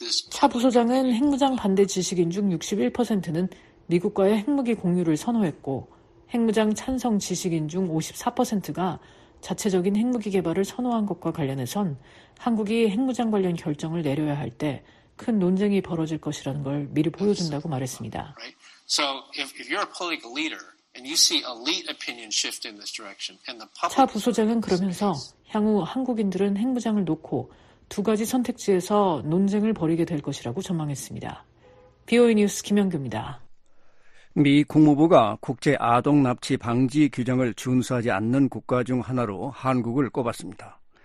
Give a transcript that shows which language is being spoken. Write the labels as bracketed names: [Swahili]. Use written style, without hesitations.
[Korean] 차 부소장은 핵무장 반대 지식인 중 61%는 미국과의 핵무기 공유를 선호했고 핵무장 찬성 지식인 중 54%가 자체적인 핵무기 개발을 선호한 것과 관련해선 한국이 핵무장 관련 결정을 내려야 할 때 큰 논쟁이 벌어질 것이라는 걸 미리 보여준다고 말했습니다. [English] So if you're a political leader and you see elite opinion shift in this direction and the public [Korean] 차 부소장은 그러면서 향후 한국인들은 핵무장을 놓고 두 가지 선택지에서 논쟁을 벌이게 될 것이라고 전망했습니다. BOA 뉴스 김영규입니다. 미 국무부가 국제 아동 납치 방지 규정을 준수하지 않는 국가 중 하나로 한국을 꼽았습니다.